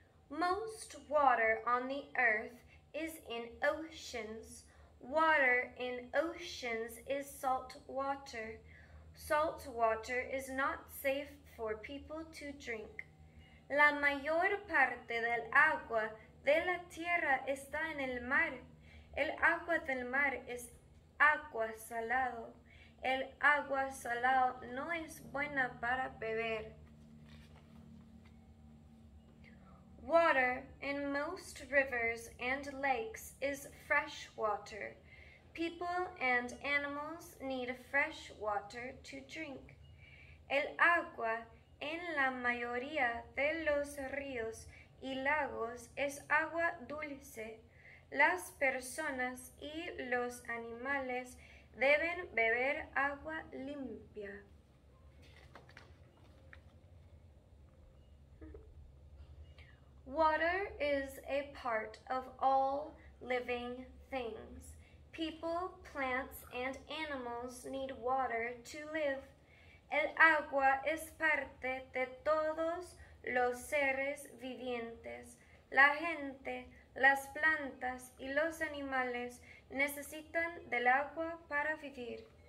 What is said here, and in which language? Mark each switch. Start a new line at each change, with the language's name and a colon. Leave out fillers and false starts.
English: Most water on the earth is in oceans. Water in oceans is salt water. Salt water is not safe for people to drink.
Spanish: La mayor parte del agua de la tierra está en el mar. El agua del mar es agua salado. El agua salado no es buena para beber.
English: Water in most rivers and lakes is fresh water. People and animals need fresh water to drink.
Spanish: El agua en la mayoría de los ríos y lagos es agua dulce. Las personas y los animales deben beber agua limpia.
English: Water is a part of all living things. People, plants, and animals need water to live.
Spanish: El agua es parte de todos los seres vivientes. La gente, las plantas, y los animales necesitan del agua para vivir.